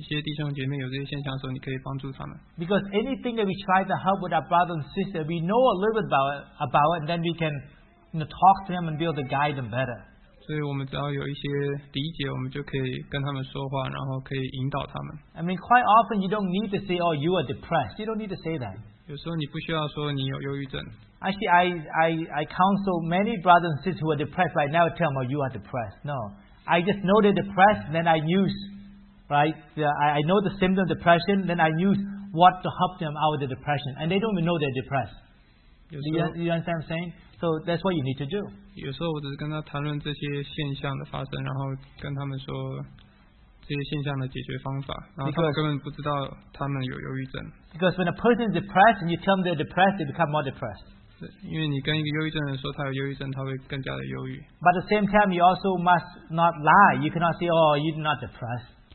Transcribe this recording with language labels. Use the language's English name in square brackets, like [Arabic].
[Chinese] 有时候我跟你们分享这些是因为我想要让你们知道这些现象，然后有时候一些弟兄姐妹有这些现象的时候，你可以帮助他们。 [English] Because anything that we try to help with our brother and sister, we know a little bit about it, and then we can, you know, talk to them and be able to guide them better. [Chinese] 所以我们只要有一些理解，我们就可以跟他们说话，然后可以引导他们。 [English] I mean, quite often you don't need to say, oh, you are depressed. You don't need to say that. [Chinese] 有时候你不需要说你有忧郁症。 [English] Actually, I counsel many brothers and sisters who are depressed right now, tell them, oh, you are depressed. No. I just know they're depressed, then I use, right? I know the symptom of depression, then I use what to help them out of the depression. And they don't even know they're depressed. Do you understand what I'm saying? So that's what you need to do. [Chinese] 有时候我只是跟他谈论这些现象的发生，然后跟他们说这些现象的解决方法，然后根本不知道他们有忧郁症。 [English] Because when a person is depressed and you tell them they're depressed, they become more depressed. [Chinese] 因为你跟一个忧郁症人说他有忧郁症，他会更加的忧郁。 [English] But at the same time, you also must not lie. You cannot say, oh, you're not depressed.